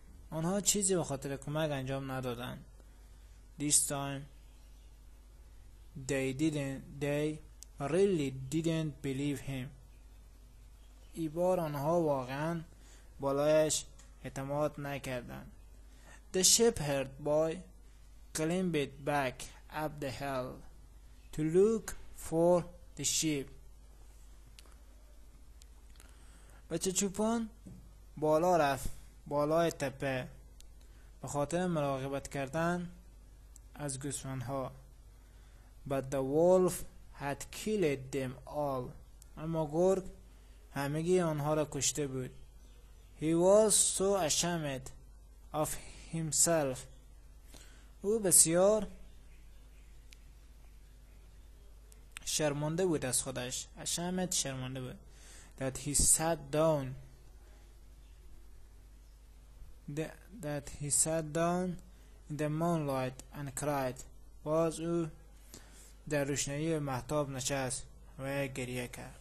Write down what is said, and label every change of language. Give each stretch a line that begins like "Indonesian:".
Persian: آنها چیزی به خاطر کمک انجام ندادند.
English: This time, they really didn't believe him.
Persian: ای بار آنها واقعا بالایش اعتماد نکردن.
English: The shepherd boy climbed back up the hill to look for the sheep.
Persian: بچه چوپان بالا رفت, بالای تپه, به خاطر مراقبت کردن از گوسفندها.
English: But the wolf had killed them all.
Persian: اما گرگ همگی آنها را کشته بود.
English: He was so ashamed of himself.
Persian: او بسیار شرمنده بود از خودش.
English: Ashamed,
Persian: شرمنده بود.
English: That he sat down. That he sat down in the moonlight and cried.
Persian: باز او در روشنایی مهتاب نشست و گریه کرد.